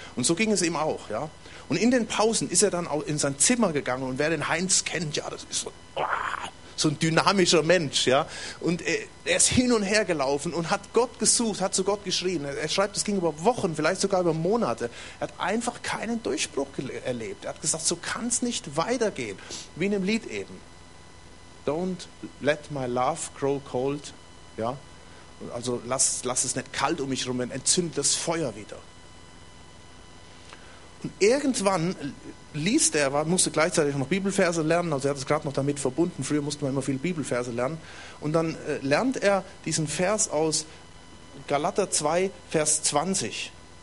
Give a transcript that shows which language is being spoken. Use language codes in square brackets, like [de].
[de] Und so ging es ihm auch, ja. Und in den Pausen ist er dann auch in sein Zimmer gegangen, und wer den Heinz kennt, ja, das ist so ein dynamischer Mensch, ja. Und er ist hin und her gelaufen und hat Gott gesucht, hat zu Gott geschrien. Er schreibt, es ging über Wochen, vielleicht sogar über Monate. Er hat einfach keinen Durchbruch erlebt. Er hat gesagt, so kann es nicht weitergehen. Wie in dem Lied eben. [en] Don't let my love grow cold. [de] Ja? Also lass es nicht kalt um mich herum, dann entzündet das Feuer wieder. Und irgendwann liest er, musste gleichzeitig noch Bibelverse lernen, also er hat es gerade noch damit verbunden, früher musste man immer viel Bibelverse lernen, und dann lernt er diesen Vers aus Galater 2, Vers 20.